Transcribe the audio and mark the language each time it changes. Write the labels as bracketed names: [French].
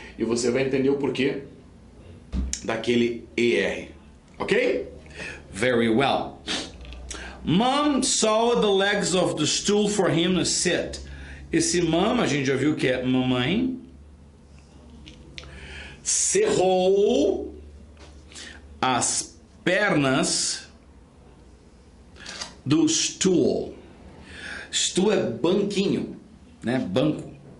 [Portuguese] E você vai entender o porquê daquele ER. [English] Ok? Very well. Mom saw the legs of the stool for him to sit. [Portuguese] Esse mom, a gente já viu que é mamãe. Cerrou as pernas do stool. Stool é banquinho, né? Banco.